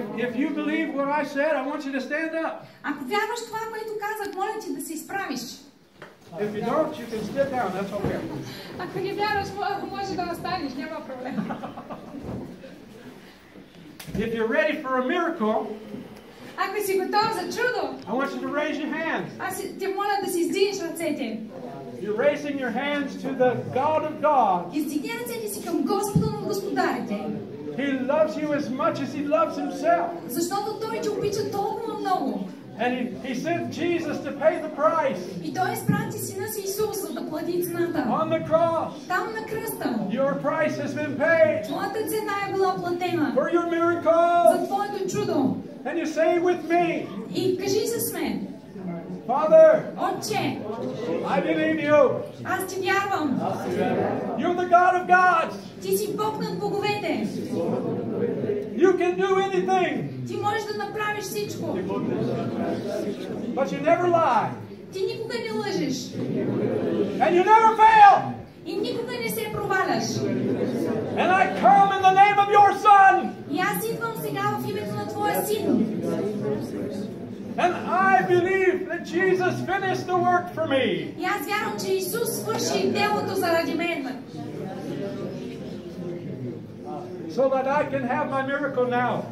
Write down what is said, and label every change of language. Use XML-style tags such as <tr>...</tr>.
<en>If you believe what I said, I want you to stand up.</en> <bg>Ако вярваш това, което казах, моля ти да се изправиш.</bg> <en>If you don't, you can sit down, that's okay.</en> <bg>Ако не вярваш, може да останеш, няма проблем.</bg> <en>If you're ready for a miracle,</en> <bg>ако си готов за чудо,</bg> <en>I want you to raise your hands.</en> <bg>Аз те моля да си издигнеш ръцете.</bg> <en>You're raising your hands to the God of God.</en> <bg>Издигни ръцете си към Господа на Господарите.</bg> <en>He loves you as much as he loves himself.</en> <bg>Защото той те обича толкова много.</bg> <en>And he sent Jesus to pay the price.</en> <bg>И той изпрати сина си Исус да плати цената.</bg> <en>On the cross.</en> <bg>Там на кръста.</bg> <en>Your price has been paid.</en> <bg>Твоята цена е била платена.</bg> <en>For your miracle.</en> <bg>За твоето чудо.</bg> <en>And you say with me.</en> <bg>И кажи с мен.</bg> <en>Father.</en> <bg>Отче.</bg> <en>I believe you.</en> <bg>Аз ти вярвам.</bg> <en>You're the God of gods.</en> <bg>Ти си Бог над боговете.</bg> <en>You can do anything.</en> <bg>Ти можеш да направиш всичко.</bg> <en>But you never lie.</en> <bg>Ти никога не лъжиш.</bg> <en>And you never fail.</en> <bg>И никога не се проваляш.</bg> <en>And I come in the name of your son.</en> <bg>И аз идвам сега в името на твоя син.</bg> <en>And I believe that Jesus finished the work for me.</en> <bg>И аз вярвам, че Исус свърши делото заради мен.</bg> <en>So that I can have my miracle now.</en>